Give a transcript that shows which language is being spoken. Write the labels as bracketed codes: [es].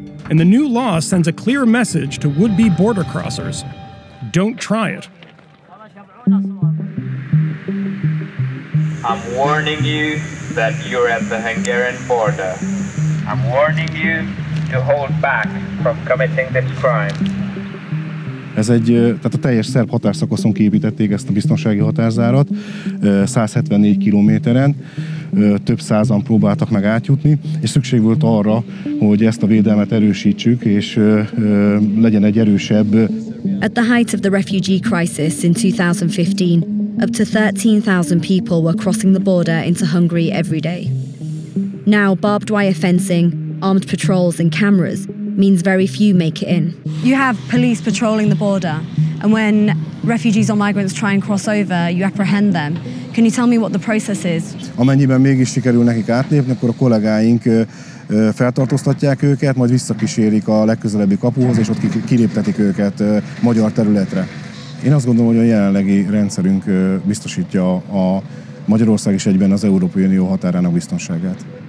[en] And the new law sends a clear message to would-be border crossers. Don't try it. I'm warning you that you're at the Hungarian border. I'm warning you to hold back from committing this crime. [hu] Ez egy, tehát a teljes szerb határszakaszon kiépítették ezt a biztonsági határzárat, 174 kilométeren, több százan próbáltak meg átjutni, és szükség volt arra, hogy ezt a védelmet erősítsük, és legyen egy erősebb. [en] At the height of the refugee crisis in 2015, up to 13,000 people were crossing the border into Hungary every day. Now, barbed wire fencing, armed patrols and cameras means very few make it in. You have police patrolling the border, and when refugees or migrants try and cross over, you apprehend them. Can you tell me what the process is? [hu] Amennyiben mégis sikerül nekik átlépni, akkor a kollégáink feltartóztatják őket, majd visszakísérik a legközelebbi kapuhoz, és ott kiléptetik őket magyar területre. Én azt gondolom, hogy a jelenlegi rendszerünk biztosítja a Magyarország is egyben az Európai Unió határának biztonságát.